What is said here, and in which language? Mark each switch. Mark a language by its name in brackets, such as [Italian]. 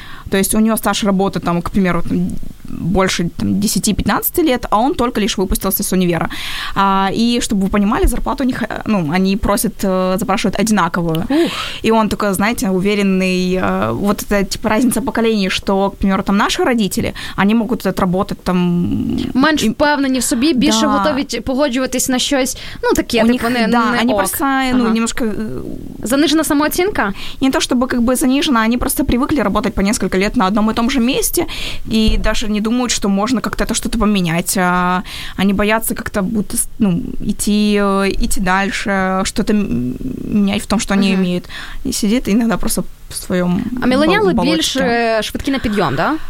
[Russian] То есть у него стаж работы, там, к примеру, там, больше там, 10-15 лет, а он только лишь выпустился с универа. И чтобы вы понимали, зарплату у них, ну, они просят, запрашивают одинаковую. И он такой, знаете, уверенный, вот это типа разница поколений, что, к примеру, там наши родители, они могут отработать там... [Ukrainian] Меньше впевнені в собі, більше готові погоджуватись на щось. Ну, такі, так, них, вони да, не [Russian] они ок. Просто, ну, немножко... [Ukrainian] Занижена самооцінка? [Russian] Не то, чтобы как бы занижена, они просто привыкли работать по несколько лет на одном и том же месте, и даже не думают, что можно как-то это что-то поменять. Они боятся как-то будто, ну, идти дальше, что-то менять в том, что они имеют. И сидит иногда просто в своем болоте. А миллениалы больше [Ukrainian] швидкі на підйом, [Russian] да?